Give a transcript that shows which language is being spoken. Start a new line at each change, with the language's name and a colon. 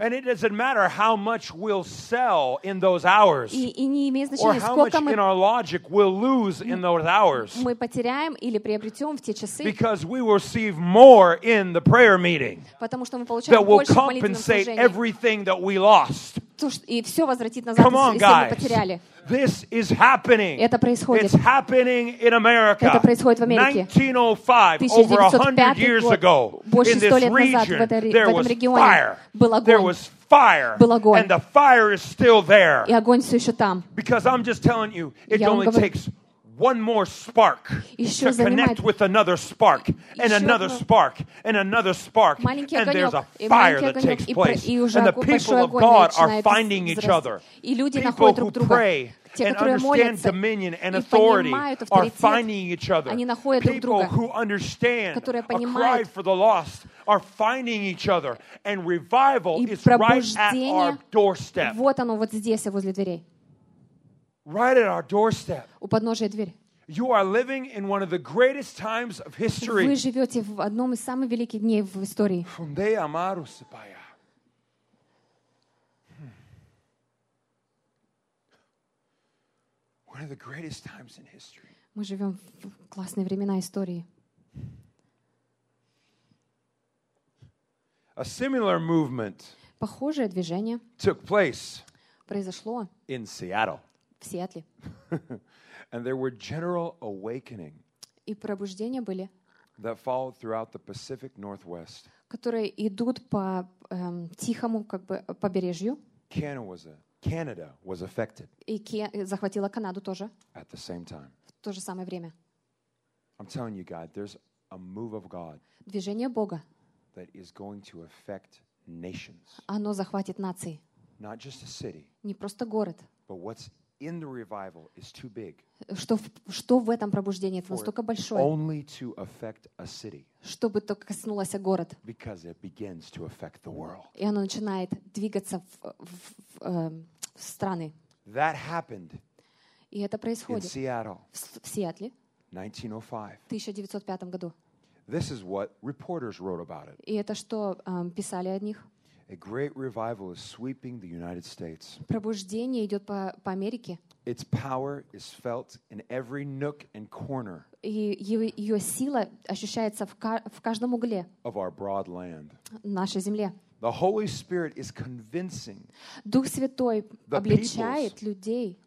English: And it doesn't matter how much we'll sell in those hours, or how much in our logic we'll lose in those hours.
Russian: Мы потеряем или приобретем в те часы.
English: Because we receive more in the prayer meeting.
Russian: Потому что мы получаем больше в молитвенном служении.
English: That will compensate everything that we lost.
Russian: И все возвратит назад, если мы потеряли.
English: This is happening.
Russian: Это происходит.
English: It's happening in America.
Russian: Это происходит в Америке.
English: 1905, over 100 years ago, in this region, there was fire. There was fire. And the fire is still there.
Russian: И огонь все еще там.
English: Because I'm just telling you, it only takes one more spark to connect with another spark and another spark and another spark, and there's a fire that takes place. And the people of God are finding each other. People who pray and understand dominion and authority are finding each other. People who understand a cry for the lost are finding each other. And revival is right at our doorstep.
Russian: Вот оно, вот здесь, возле дверей.
English: Right at our doorstep.
Russian: У подножия двери.
English: You are living in one of the greatest times of history.
Russian: Вы живете в одном из самых великих дней в истории. From day Amaru Sipaya.
English: One of the greatest times in history.
Russian: Мы живем в классные времена истории.
English: A similar movement.
Russian: Похожее движение.
English: Took place.
Russian: Произошло.
English: In Seattle.
Russian: В Сиэтле.
English: And there were general awakening.
Russian: И пробуждения были.
English: That followed throughout the Pacific Northwest.
Russian: Которые идут по тихому как бы побережью.
English: Canada was affected.
Russian: И захватила Канаду тоже.
English: At the same time.
Russian: В то же самое время.
English: I'm telling you, God, there's a move of God.
Russian: Движение Бога.
English: That is going to affect nations.
Russian: Оно захватит нации.
English: Not just a city.
Russian: Не просто город.
English: But what's in the revival is too big.
Russian: Что в этом пробуждении это настолько большое?
English: Only to affect a city.
Russian: Чтобы только коснулось город.
English: Because it begins to affect the world.
Russian: И оно начинает двигаться в страны.
English: That happened.
Russian: И это происходит.
English: In Seattle.
Russian: В Сиэтле.
English: 1905.
Russian: В 1905 году.
English: This is what reporters wrote about it.
Russian: И это что писали о них?
English: A great revival is sweeping the United States.
Russian: Пробуждение идет по Америке.
English: Its power is felt in every nook and corner.
Russian: Ее сила ощущается в каждом угле.
English: Of our broad land.
Russian: Нашей земле.
English: The Holy Spirit is convincing.
Russian: Дух Святой обличает людей.